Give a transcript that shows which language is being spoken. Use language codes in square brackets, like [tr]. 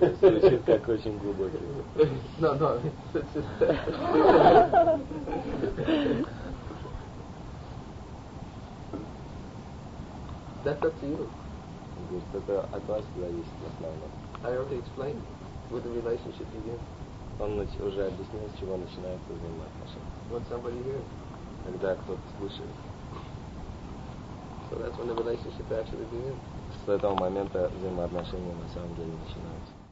[ru] Звучит как очень глубокий. [en] No, no. That's up to you. [ru] Говорит, это от вас зависит в основном. [en] I already explained with the relationship you give. [ru] Он уже объяснил, с чего начинается взаимоотношения. [en] When somebody hears. [ru] Когда кто-то слышит. [en] So that's when the relationship actually begins. [ru] С этого момента взаимоотношения на самом деле начинаются.